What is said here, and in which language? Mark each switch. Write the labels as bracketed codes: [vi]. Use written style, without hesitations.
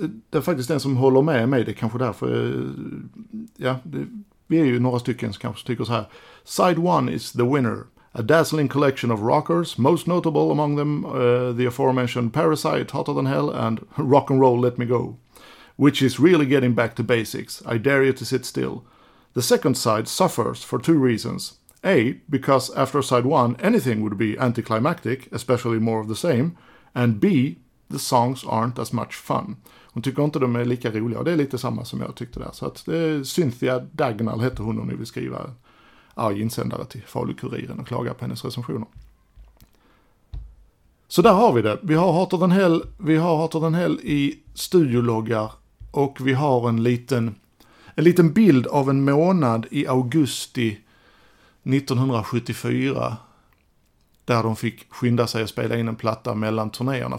[sv] Det är faktiskt den som håller med mig, det kanske därför, ja, vi är ju några stycken som kanske tycker så här. [en] Side one is the winner. A dazzling collection of rockers, most notable among them the aforementioned Parasite, Hotter Than Hell and Rock and Roll Let Me Go, which is really getting back to basics. I dare you to sit still. The second side suffers for two reasons. A, because after side one, anything would be anticlimactic, especially more of the same. And B, the songs aren't as much fun. [sv] Hon tycker inte de är lika roliga, och det är lite samma som jag tyckte där. Så att det är Cynthia Dagnall heter hon, och nu vill skriva en arg insändare till Falukuriren och klaga på hennes recensioner. Så där har vi det. Vi har Hotter Than Hell, vi har Hotter Than Hell i studiologgar, och vi har en liten bild av en månad i augusti 1974, där de fick skynda sig att spela in en platta mellan turnéerna.